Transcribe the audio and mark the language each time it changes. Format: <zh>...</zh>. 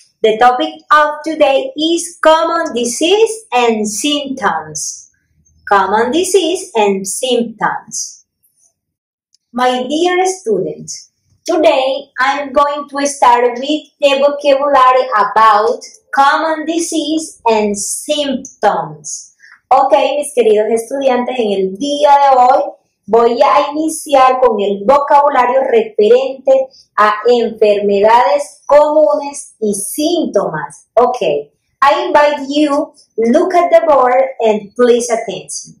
<en>The topic of today is common disease and symptoms. Common disease and symptoms. My dear students, today I'm going to start with the vocabulary about common disease and symptoms.</en> <es>Ok, mis queridos estudiantes, en el día de hoy voy a iniciar con el vocabulario referente a enfermedades comunes y síntomas.</es> <en>Ok, I invite you, look at the board and please attention.</en>